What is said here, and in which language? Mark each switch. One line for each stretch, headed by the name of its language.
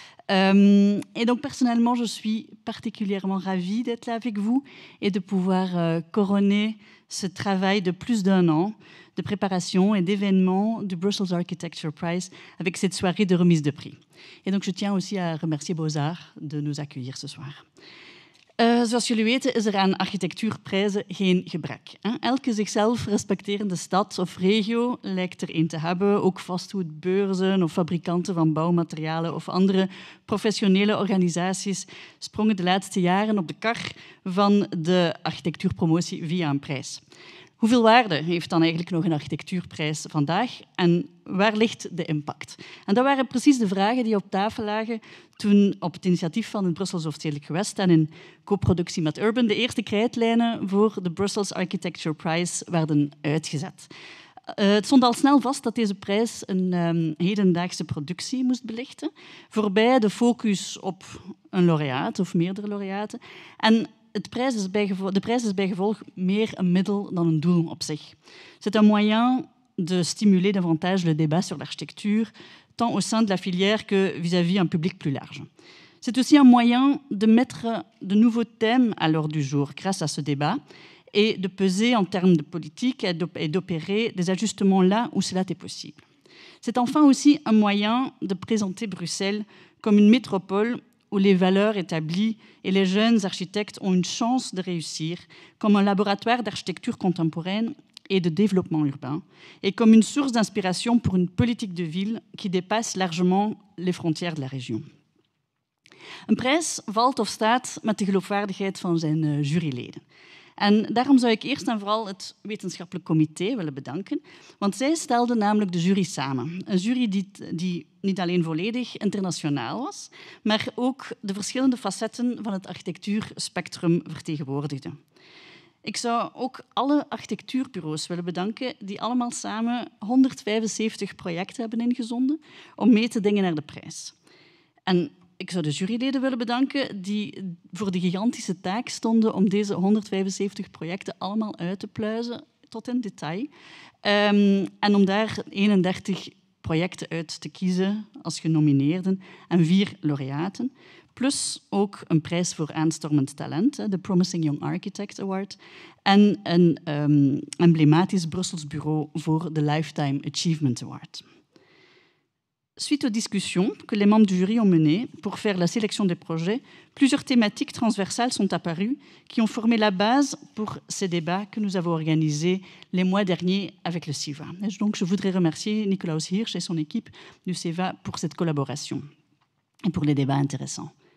French: Et donc, personnellement, je suis particulièrement ravie d'être là avec vous et de pouvoir couronner ce travail de plus d'un an de préparation et d'événement du Brussels Architecture Prize avec cette soirée de remise de prix. Et donc, je tiens aussi à remercier Beaux-Arts de nous accueillir ce soir.
Dutch: Zoals jullie weten is er aan architectuurprijzen geen gebrek. Elke zichzelf respecterende stad of regio lijkt er een te hebben. Ook vastgoedbeurzen of fabrikanten van bouwmaterialen of andere professionele organisaties sprongen de laatste jaren op de kar van de architectuurpromotie via een prijs. Hoeveel waarde heeft dan eigenlijk nog een architectuurprijs vandaag en waar ligt de impact? En dat waren precies de vragen die op tafel lagen toen op het initiatief van het Brussels Hoofdstedelijk Gewest en in co-productie met Urban de eerste krijtlijnen voor de Brussels Architecture Prize werden uitgezet. Het stond al snel vast dat deze prijs een hedendaagse productie moest belichten, voorbij de focus op een laureaat of meerdere laureaten en De prijs is bij gevolg meer een middel dan een doel op zich. C'est un moyen de stimuler davantage le débat sur l'architecture, tant au sein de la filière que vis-à-vis un public plus large. C'est aussi un moyen de mettre de nouveaux thèmes à l'ordre du jour grâce à ce débat et de peser en termes de politique et d'opérer des ajustements là où cela est possible. C'est enfin aussi un moyen de présenter Bruxelles comme une métropole où les valeurs établies et les jeunes architectes ont une chance de réussir comme un laboratoire d'architecture contemporaine et de développement urbain et comme une source d'inspiration pour une politique de ville qui dépasse largement les frontières de la région. Een prijs valt of staat met de geloofwaardigheid van zijn juryleden. En daarom zou ik eerst en vooral het wetenschappelijk comité willen bedanken, want zij stelden namelijk de jury samen. Een jury die niet alleen volledig internationaal was, maar ook de verschillende facetten van het architectuurspectrum vertegenwoordigde. Ik zou ook alle architectuurbureaus willen bedanken die allemaal samen 175 projecten hebben ingezonden om mee te dingen naar de prijs. En ik zou de juryleden willen bedanken die voor de gigantische taak stonden om deze 175 projecten allemaal uit te pluizen tot in detail. En om daar 31 projecten uit te kiezen als genomineerden en 4 laureaten. Plus ook een prijs voor aanstormend talent, de Promising Young Architect Award. En een emblematisch Brussels bureau voor de Lifetime Achievement Award.
French: Suite aux discussions que les membres du jury ont menées pour faire la sélection des projets, plusieurs thématiques transversales sont apparues qui ont formé la base pour ces débats que nous avons organisés les mois derniers avec le CEVA. Et donc, je voudrais remercier Nikolaus Hirsch et son équipe du CEVA pour cette collaboration et pour les débats intéressants.